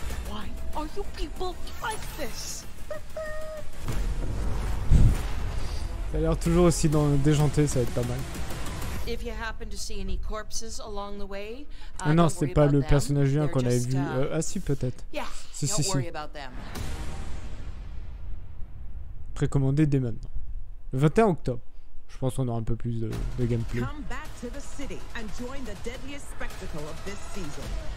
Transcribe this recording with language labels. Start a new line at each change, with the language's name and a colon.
English: Why are you people like this?
French: Ça a l'air toujours aussi déjanté, ça va être pas mal.
English: If you happen to see any corpses along the way,
French: ah non, c'est pas le personnage humain qu'on avait vu. Ah si, peut-être.
English: Yeah,
French: si,
English: don't worry about them.
French: Précommandé dès maintenant. Le 21 octobre. Je pense qu'on aura un peu plus de gameplay.
English: Come back to the city and join the deadliest spectacle of this season.